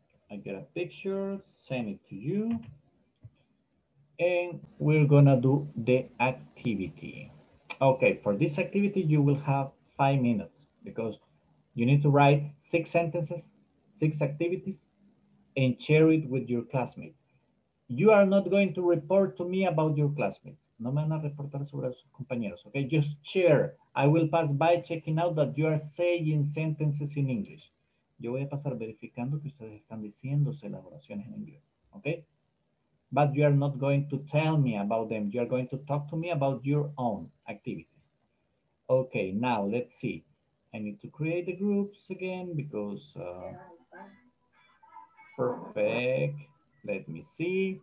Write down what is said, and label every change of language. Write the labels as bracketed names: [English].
[English] I get a picture, send it to you. And we're gonna do the activity. Okay, for this activity, you will have 5 minutes because you need to write 6 sentences, 6 activities, and share it with your classmate. You are not going to report to me about your classmate. [Spanish] No me van a reportar sobre sus compañeros, okay? [English] Just share. I will pass by checking out that you are saying sentences in English. [Spanish] Yo voy a pasar verificando que ustedes están diciéndose las oraciones en inglés, okay? [English] But you are not going to tell me about them. You are going to talk to me about your own activities. Okay, now let's see. I need to create the groups again because... perfect. Let me see.